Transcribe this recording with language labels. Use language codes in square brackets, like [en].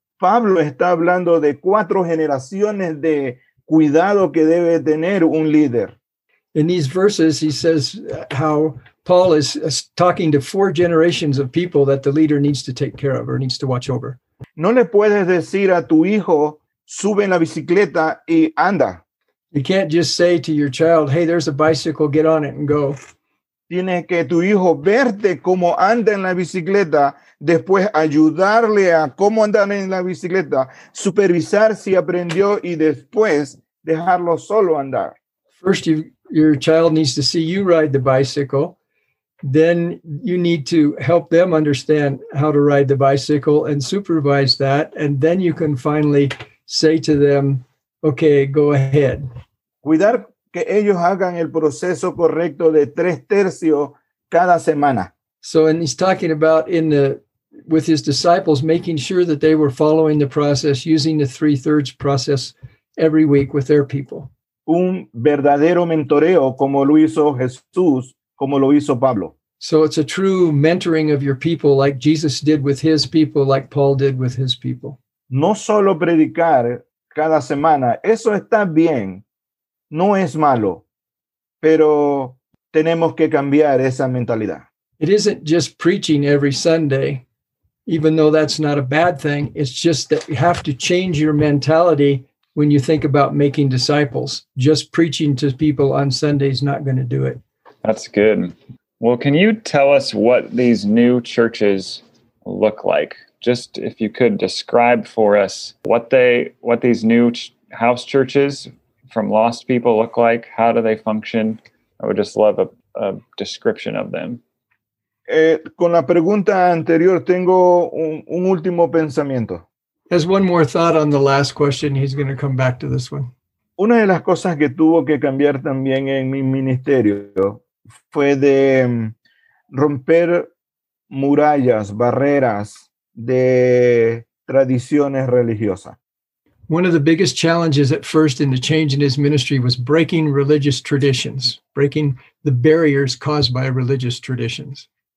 [es] Pablo está hablando de cuatro generaciones de cuidado que debe tener un líder. [en] In these verses, he says how Paul is talking to four generations of people that the leader needs to take care of or needs to watch over. [es] No le puedes decir a tu hijo, sube en la bicicleta y anda. [en] You can't just say to your child, hey, there's a bicycle, get on it and go. [es] Tiene que tu hijo verte cómo anda en la bicicleta, después ayudarle a cómo andar en la bicicleta, supervisar si aprendió y después dejarlo solo andar. [en] First, your child needs to see you ride the bicycle. Then you need to help them understand how to ride the bicycle and supervise that. And then you can finally say to them, okay, go ahead. Cuidar que ellos hagan el proceso correcto de tres tercios cada semana. So, and he's talking about with his disciples, making sure that they were following the process, using the three-thirds process every week with their people. Un verdadero mentoreo como lo hizo Jesús, como lo hizo Pablo. So it's a true mentoring of your people like Jesus did with his people, like Paul did with his people. No solo predicar cada semana, eso está bien, no es malo, pero tenemos que cambiar esa mentalidad. It isn't just preaching every Sunday, even though that's not a bad thing, it's just that you have to change your mentality. When you think about making disciples, just preaching to people on Sunday is not going to do it. That's good. Well, can you tell us what these new churches look like? Just if you could describe for us what these new house churches from lost people look like, how do they function? I would just love a description of them. [es] Con la pregunta anterior, tengo un último pensamiento. [en] Has one more thought on the last question. He's going to come back to this one. [es] Una de las cosas que tuvo que cambiar también en mi ministerio fue de romper murallas, barreras de tradiciones religiosas. [en] One of the biggest challenges at first in the change in his ministry was breaking religious traditions, breaking the barriers caused by religious traditions.